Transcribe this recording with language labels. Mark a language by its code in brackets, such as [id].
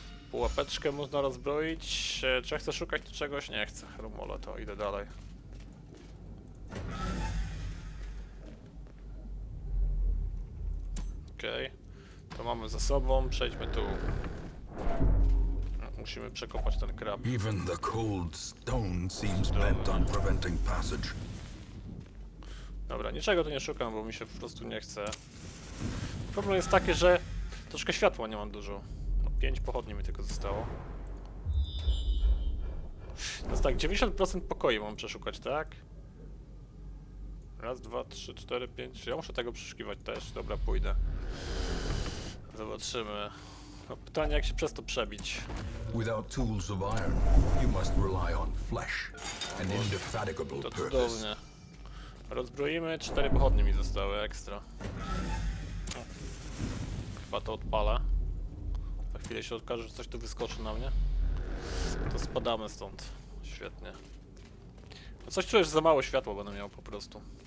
[pl] Pułapeczkę można rozbroić. Czy ja chcę szukać tu czegoś? Nie chcę. Rumole, to idę dalej. Okej, okay. To mamy za sobą, przejdźmy tu. Musimy przekopać ten krab. [en] Even the cold stone seems bent on preventing passage. [pl] Dobra, niczego tu nie szukam, bo mi się po prostu nie chce. Problem jest taki, że troszkę światła nie mam dużo. No, 5 pochodni mi tylko zostało. No tak, 90% pokoju mam przeszukać, tak? Raz, dwa, trzy, cztery, pięć. Ja muszę tego przeszukiwać też. Dobra, pójdę. Zobaczymy. No, pytanie, jak się przez to przebić? [en] Without tools of iron, you must rely on flesh, an indefatigable purpose. [pl] To cudownie. Rozbroimy, 4 pochodnie mi zostały, ekstra. Chyba to odpalę. Za chwilę się okaże, że coś tu wyskoczy na mnie. To spadamy stąd. Świetnie. No coś czujesz, za mało światła będę miał po prostu.